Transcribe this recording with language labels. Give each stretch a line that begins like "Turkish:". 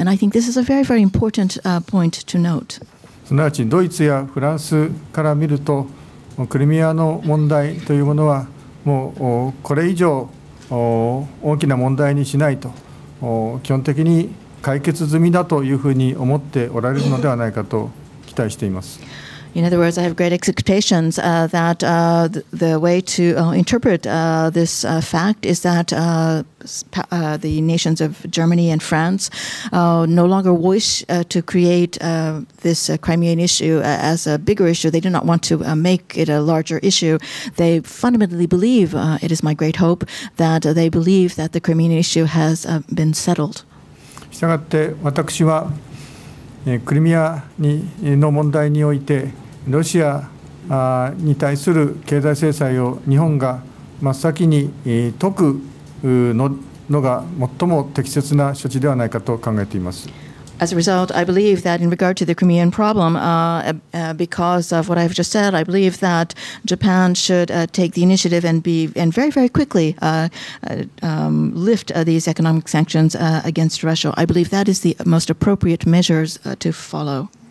English: And I think this is a very, very important point to note.
Japanese: すなわちドイツやフランスから見ると、クリミアの問題というものはもうこれ以上大きな問題にしないと基本的に解決済みだというふうに思っておられるのではないかと期待しています。
English: In other words, I have great expectations that the way to interpret this fact is that the nations of Germany and France no longer wish to create this Crimean issue as a bigger issue. They do not want to make it a larger issue. They fundamentally believe, it is my great hope, that they believe that the Crimean issue has been settled.
Japanese: したがって私はクリミアの問題においてロシアに対する経済制裁を日本が真っ先に解くのが最も適切な処置ではないかと考えています。
English: As a result, I believe that in regard to the Crimean problem, because of what I've just said, I believe that Japan should take the initiative and very, very quickly lift these economic sanctions against Russia. I believe that is the most appropriate measures to follow.